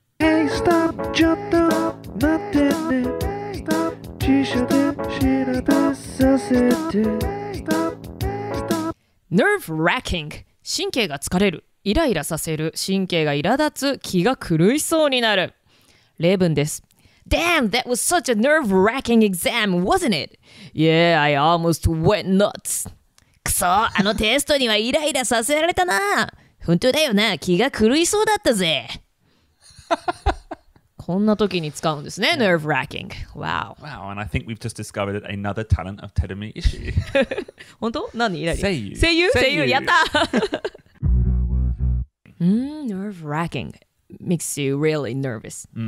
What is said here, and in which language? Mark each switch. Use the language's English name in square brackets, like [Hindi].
[English] Hey, stop, [Japanese] ちょっと待ってね Stop, 辞書で調べさせて Stop, stop Nerve-wracking. 神経が疲れる。イライラさせる、神経が苛立つ、気が狂いそうになる。例文です。 [English] Damn, that was such a nerve-wracking exam, wasn't it? Yeah, I almost went nuts. [Japanese] くそ、あのテストにはイライラさせられたな。本当だよな、気が狂いそうだったぜ。こんな時に使うんですね、nerve-wracking. Wow. [English] Wow, and I think we've just discovered another talent of Terumi Ishii. [Japanese] 本当?何イライラ? 声優。声優? 声優、やった! [English] nerve-wracking makes you really nervous.